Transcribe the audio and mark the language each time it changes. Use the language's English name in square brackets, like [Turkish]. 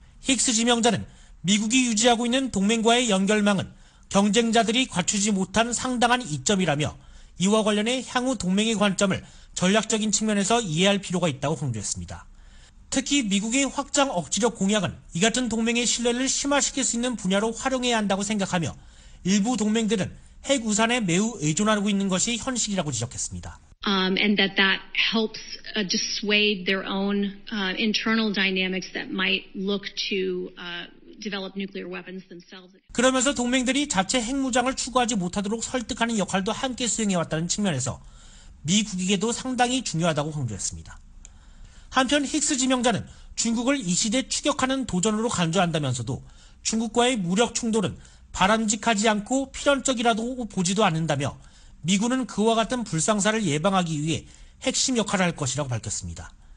[Korean] 힉스 지명자는 미국이 유지하고 있는 동맹과의 연결망은 경쟁자들이 갖추지 못한 상당한 이점이라며 이와 관련해 향후 동맹의 관점을 전략적인 측면에서 이해할 필요가 있다고 강조했습니다. 특히 미국의 확장 억지력 공약은 이 같은 동맹의 신뢰를 심화시킬 수 있는 분야로 활용해야 한다고 생각하며 일부 동맹들은 핵 우산에 매우 의존하고 있는 것이 현실이라고 지적했습니다. [English] And that that helps dissuade their own internal dynamics that might look to develop nuclear weapons themselves. [Korean] 그러면서 동맹들이 자체 핵무장을 추구하지 못하도록 설득하는 역할도 함께 수행해왔다는 측면에서 미 국익에도 상당히 중요하다고 강조했습니다. 한편 힉스 지명자는 중국을 이 시대 추격하는 도전으로 간주한다면서도 중국과의 무력 충돌은 바람직하지 않고 필연적이라도 보지도 않는다며 미군은 그와 같은 불상사를 예방하기 위해 핵심 역할을 할 것이라고 밝혔습니다.